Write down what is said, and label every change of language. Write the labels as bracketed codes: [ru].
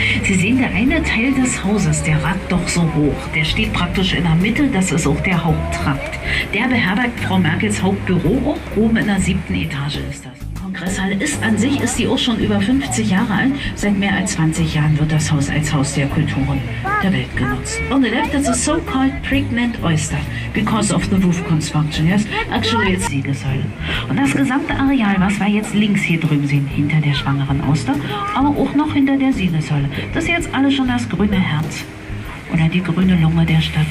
[de] Sie sehen, der eine Teil des Hauses, der ragt doch so hoch. Der steht praktisch in der Mitte, das ist auch der Haupttrakt. Der beherbergt Frau Merkels Hauptbüro, auch oben in der 7. Etage ist das. Kongresshalle ist an sich, ist sie auch schon über 50 Jahre alt. Seit mehr als 20 Jahren wird das Haus als Haus der Kulturen der Welt genutzt. [en] On the left is a so-called pregnant oyster because of the roof construction. Yes, actually it's Siegessäule. [de] Und das gesamte Areal, was wir jetzt links hier drüben sehen, hinter der schwangeren Oster, aber auch noch hinter der Siegessäule, das ist jetzt alles schon das grüne Herz oder die grüne Lunge der Stadt.